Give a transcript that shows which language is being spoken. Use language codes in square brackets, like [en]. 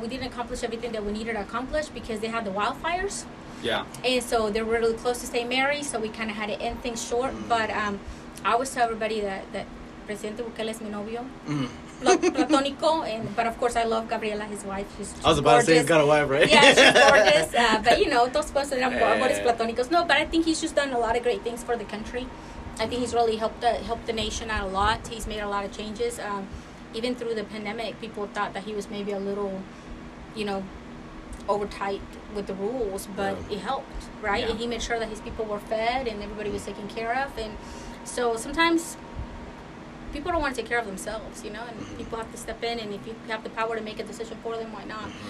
[en] We didn't accomplish everything that we needed to accomplish because they had the wildfires. Yeah. And so they were really close to St. Mary's, so we kind of had to end things short. Mm. But I always tell everybody that [es] Presidente Bukele es mi novio. Platónico, [en] but of course I love Gabriela, his wife. She's I was about gorgeous. To say he's got a wife, right? Yeah, she's gorgeous. But you know, [es] todos pueden ser amores platónicos. [en] No, but I think he's just done a lot of great things for the country. I think he's really helped the nation out a lot. He's made a lot of changes. Even through the pandemic, people thought that he was maybe a little, you know, overtight with the rules, but it helped, right? Yeah. And he made sure that his people were fed and everybody was taken care of. And so sometimes people don't want to take care of themselves, you know, and people have to step in, and if you have the power to make a decision for them, why not?